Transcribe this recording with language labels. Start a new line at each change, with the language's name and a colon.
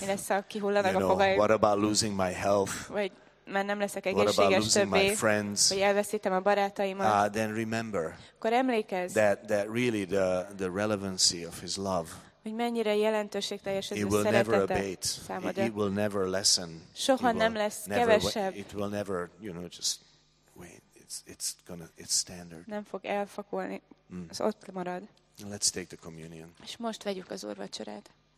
Hungarian: Mi lesz, ha kihullanak a fogaim?
English: What about losing my health?
Hungarian: Vagy mert nem leszek egészséges többé, hogy elveszítem a barátaimat.
English: Then remember,
Hungarian: akkor emlékezz,
English: that really the relevancy of his love,
Hungarian: hogy mennyire jelentőségteljes az ő szeretete számodra.
English: It will never lessen.
Hungarian: Soha nem lesz kevesebb.
English: It will never, you know, just wait. It's standard.
Hungarian: Nem fog elfakulni. Az ott marad.
English: Let's take the communion.
Hungarian: És most vegyük az úrvacsorát.